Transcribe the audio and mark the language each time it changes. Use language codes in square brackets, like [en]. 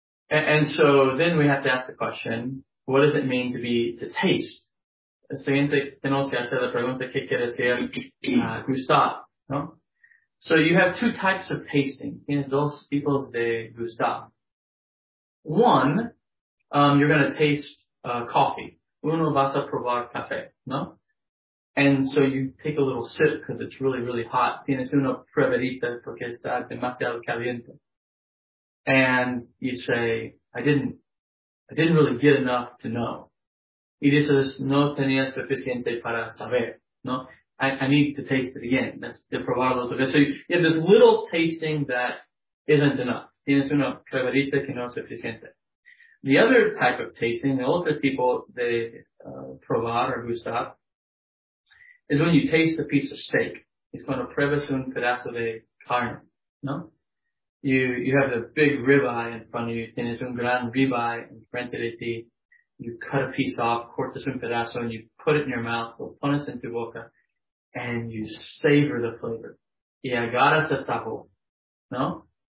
[en] And so then we have to ask the question, what does it mean to be, to taste? [es] El siguiente, tenemos que hacer la pregunta, ¿qué quiere decir gustar? [en] No? So you have two types of tasting. [es] Tienes dos tipos de gustar. [en] One, you're going to taste coffee. [es] Uno vas a probar café, no? [en] And so you take a little sip because it's really, really hot. [es] Tienes una pruebita porque está demasiado caliente. [en] And you say, I didn't really get enough to know. [es] Y dices, no tenía suficiente para saber, no? [en] I need to taste it again. That's de probarlo otra vez. So you have this little tasting that isn't enough. [es] Tienes una pruebita que no es suficiente. [en] The other type of tasting, the other tipo de probar or gustar, is when you taste a piece of steak. [es] Es cuando pruebas un pedazo de carne, no? [en] You have the big ribeye in front of you. Tienes un gran ribeye in front of ti. You cut a piece off, [es] cortas un pedazo, [en] and you put it in your mouth, [es] lo pones en tu boca, [en] and you savor the flavor. [es] Y agarras el sabor, no?